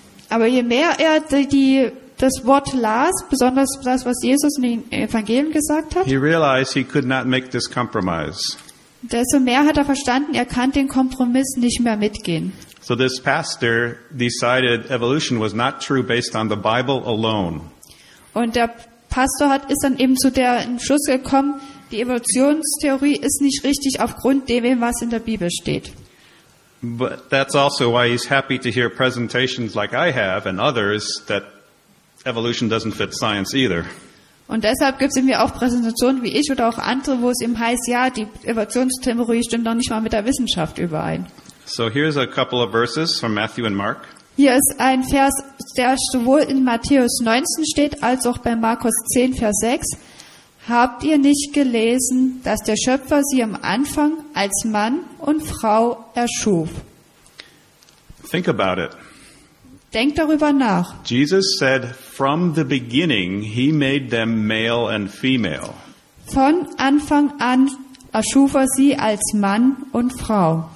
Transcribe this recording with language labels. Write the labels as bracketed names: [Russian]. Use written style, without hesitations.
[German] aber je mehr er das Wort las, besonders das, was Jesus in den Evangelien gesagt hat, [English] he realized he could not make this compromise. [German] Desto mehr hat er verstanden, er kann den Kompromiss nicht mehr mitgehen. [English] So this pastor decided evolution was not true based on the Bible alone. [German] Und der Pastor ist dann eben zu der Entschluss gekommen, die Evolutionstheorie ist nicht richtig aufgrund dem, was in der Bibel steht. [English] But that's also why he's happy to hear presentations like I have and others that evolution doesn't fit science either. [German] Und deshalb gibt es eben auch Präsentationen wie ich oder auch andere, wo es eben heißt, ja, die Evolutionstheorie stimmt noch nicht mal mit der Wissenschaft überein. [English] So here's a couple of verses from Matthew and Mark. [German] Hier ist ein Vers, der sowohl in Matthäus 19 steht, als auch bei Markus 10, Vers 6. Habt ihr nicht gelesen, dass der Schöpfer sie am Anfang als Mann und Frau erschuf? [English] Think about it. [German] Denk darüber nach. [English] Jesus said, from the beginning he made them male and female. [German] Von Anfang an erschuf er sie als Mann und Frau.